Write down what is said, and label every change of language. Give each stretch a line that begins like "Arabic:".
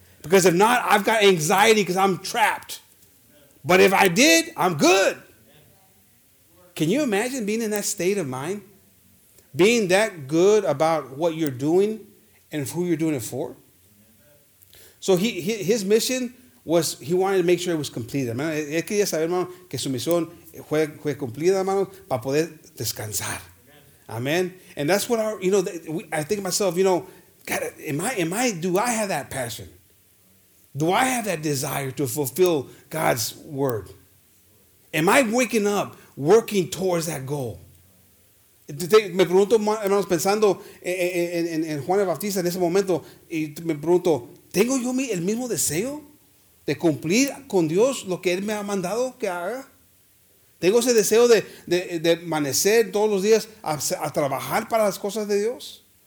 English: Because if not, I've got anxiety because I'm trapped. But if I did, I'm good. Can you imagine being in that state of mind? Being that good about what you're doing and who you're doing it for? So his mission was, he wanted to make sure it was completed.
Spanish: Hermano, él quería saber, hermano, que su misión fue cumplida, hermano, para poder descansar. Amen.
English: And that's what I think to myself, you know, God, do I have that passion? Do I have that desire to fulfill God's word? Am I waking up working towards that goal?
Spanish: Me pregunto, hermanos, pensando en Juan el Bautista en ese momento, y me pregunto, ¿tengo yo el mismo deseo de cumplir con Dios lo que Él me ha mandado que haga? ¿Tengo ese deseo de amanecer todos los días a trabajar para las cosas de Dios?